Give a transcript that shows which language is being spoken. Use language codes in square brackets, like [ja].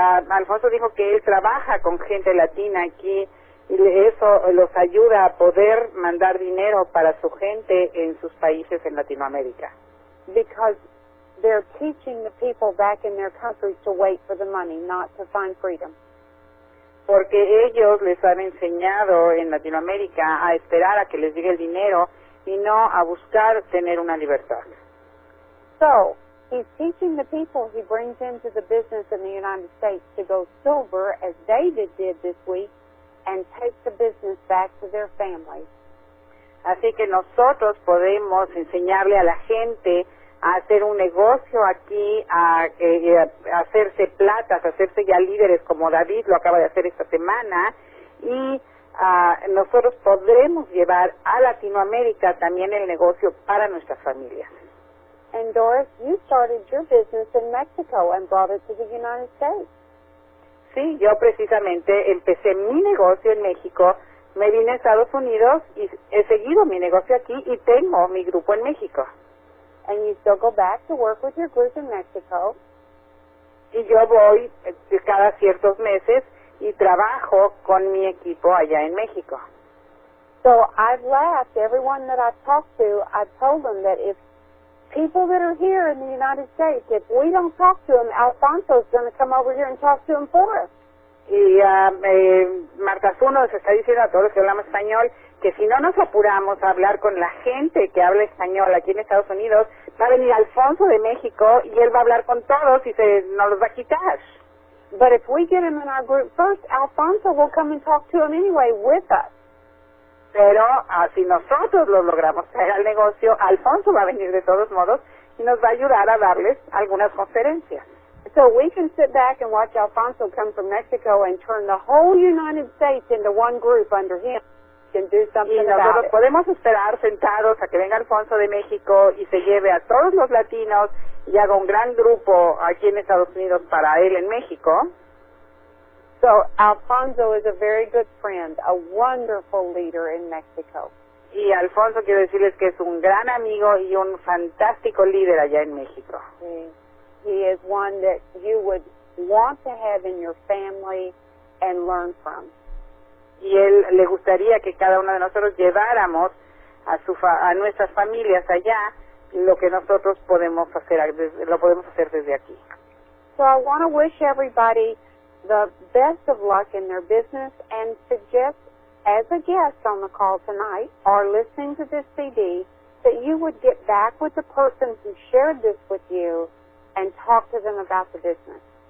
[es] Alfonso dijo que él trabaja con gente latina aquí y eso los ayuda a poder mandar dinero para su gente en sus países en Latinoamérica. [en] Because they're teaching the people back in their countries to wait for the money, not to find freedom. [es] Porque ellos les han enseñado en Latinoamérica a esperar a que les llegue el dinero y no a buscar tener una libertad. [en] So, he's teaching the people he brings into the business in the United States to go silver, as David did this week, and take the business back to their families. [es] Así que nosotros podemos enseñarle a la gente a hacer un negocio aquí, a hacerse platas, a hacerse ya líderes como David lo acaba de hacer esta semana, y nosotros podremos llevar a Latinoamérica también el negocio para nuestras familias. [en] And Doris, you started your business in Mexico and brought it to the United States. [es] Sí, yo precisamente empecé mi negocio en México, me vine a Estados Unidos y he seguido mi negocio aquí y tengo mi grupo en México. [en] And you still go back to work with your group in Mexico. [es] Y yo voy cada ciertos meses y trabajo con mi equipo allá en México. [en] So I've left everyone that I've talked to, I've told them that if people that are here in the United States, if we don't talk to them, Alfonso's going to come over here and talk to them for us. [es] Y Marta Zuno se está diciendo a todos los que hablamos español que si no nos apuramos a hablar con la gente que habla español aquí en Estados Unidos, va a venir Alfonso de México y él va a hablar con todos y se nos los va a quitar. [en] But if we get him in our group first, Alfonso will come and talk to him anyway with us. [es] Pero si nosotros lo logramos traer al negocio, Alfonso va a venir de todos modos y nos va a ayudar a darles algunas conferencias. [en] So we can sit back and watch Alfonso come from Mexico and turn the whole United States into one group under him and do something about it. [es] Y nosotros podemos esperar sentados a que venga Alfonso de México y se lleve a todos los latinos y haga un gran grupo aquí en Estados Unidos para él en México. [en] So Alfonso is a very good friend, a wonderful leader in Mexico. [es] Y Alfonso, quiero decirles que es un gran amigo y un fantástico líder allá en México. Sí. [en] He is one that you would want to have in your family and learn from. [es] Y él le gustaría que cada uno de nosotros lleváramos a nuestras familias allá lo que nosotros podemos hacer desde aquí. [en] So I want to wish everybody the best of luck in their business and suggest, as a guest on the call tonight or listening to this CD, that you would get back with the person who shared this with you and talk to them about the business.